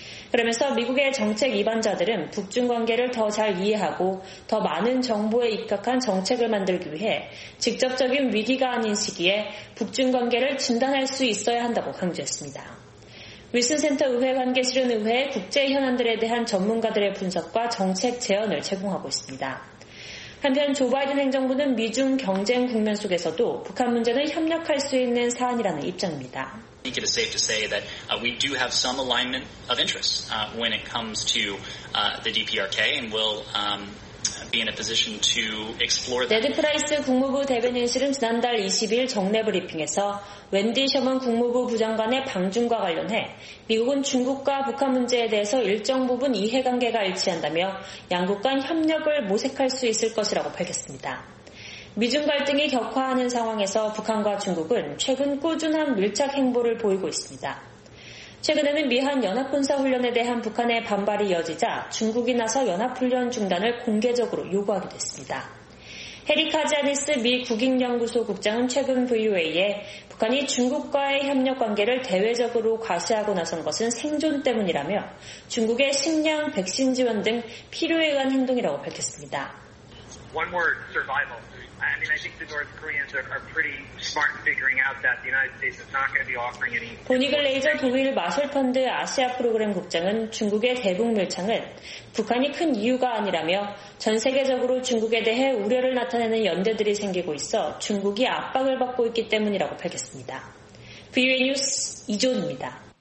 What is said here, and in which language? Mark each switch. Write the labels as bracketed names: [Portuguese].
[Korean] 그러면서 미국의 정책 이반자들은 북중 관계를 더 잘 이해하고 더 많은 정보에 입각한 정책을 만들기 위해 직접적인 위기가 아닌 시기에 북중 관계를 진단할 수 있어야 한다고 강조했습니다. 윌슨 센터 의회 관계실은 의회의 국제 현안들에 대한 전문가들의 분석과 정책 제언을 제공하고 있습니다. 한편 조 바이든 행정부는 미중 경쟁 국면 속에서도 북한 문제는 협력할 수 있는 사안이라는 입장입니다. [English] I think it is safe to say that we do have some alignment of interests when it comes to the DPRK and we'll be in a position to explore that. [Korean] 네드 프라이스 국무부 대변인실은 지난달 20일 정례 브리핑에서 웬디 셔먼 국무부 부장관의 방중과 관련해 미국은 중국과 북한 문제에 대해서 일정 부분 이해관계가 일치한다며 양국 간 협력을 모색할 수 있을 것이라고 밝혔습니다. 미중 갈등이 격화하는 상황에서 북한과 중국은 최근 꾸준한 밀착 행보를 보이고 있습니다. 최근에는 미한 연합군사훈련에 대한 북한의 반발이 이어지자 중국이 나서 연합훈련 중단을 공개적으로 요구하기도 했습니다. 해리 카자니스 미 국익연구소 국장은 최근 VOA에 북한이 중국과의 협력 관계를 대외적으로 과시하고 나선 것은 생존 때문이라며 중국의 식량, 백신 지원 등 필요에 의한 행동이라고 밝혔습니다. [English] One word, survival. I mean, I think the North Koreans are pretty smart in figuring out that the United States is not going to be offering any. [Korean] 보니글 레이저 독일 마셜 펀드 아시아 프로그램 국장은 중국의 대북 밀창은 북한이 큰 이유가 아니라며 전 세계적으로 중국에 대해 우려를 나타내는 연대들이 생기고 있어 중국이 압박을 받고 있기 때문이라고 밝혔습니다. VOA 뉴스 이존입니다.